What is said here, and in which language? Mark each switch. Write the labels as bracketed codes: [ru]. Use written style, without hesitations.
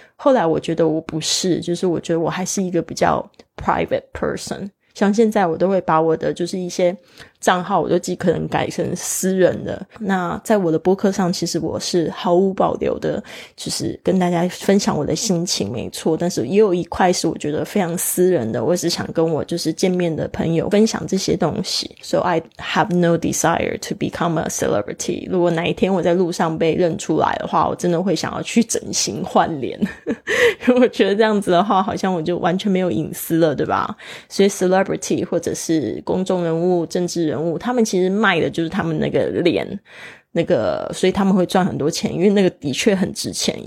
[zh] 后来我觉得我不是，就是我觉得我还是一个比较 private person，像现在我都会把我的就是一些账号我就尽可能改成私人的。那在我的播客上其实我是毫无保留的，就是跟大家分享我的心情没错，但是也有一块是我觉得非常私人的，我只想跟我就是见面的朋友分享这些东西。 [en] So I have no desire to become a celebrity. [zh] 如果哪一天我在路上被认出来的话，我真的会想要去整形换脸因为我觉得这样子的话好像我就完全没有隐私了，对吧？所以 celebrity 或者是公众人物、政治人物，他们其实卖的就是他们那个脸，那个，所以他们会赚很多钱，因为那个的确很值钱。